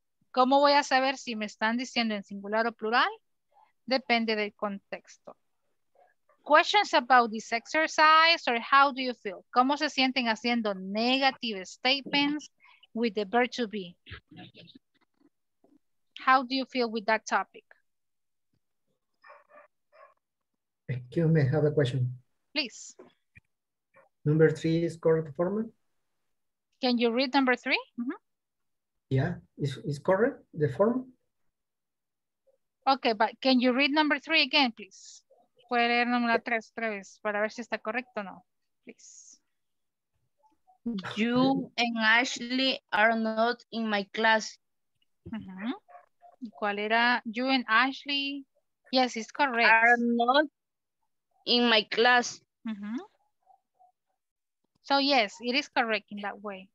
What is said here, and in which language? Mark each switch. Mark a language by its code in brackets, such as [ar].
[es] ¿Cómo voy a saber si me están diciendo en singular o plural? Depende del contexto. [en] Questions about this exercise or how do you feel? [es] ¿Cómo se sienten haciendo [en] negative statements with the verb to be? How do you feel with that topic? Excuse me, I have a question. Please. Number three is correct format. Can you read number three? Mm-hmm. Yeah, it's correct, the form. Okay, but can you read number three again, please? [es] Puede leer número tres otra vez para ver si está correcto o no, please. [en] You and Ashley are not in my class. Mm-hmm. [es] ¿Cuál era? [en] You and Ashley. Yes, it's correct. Are not in my class. Mm-hmm. So yes, it is correct in that way.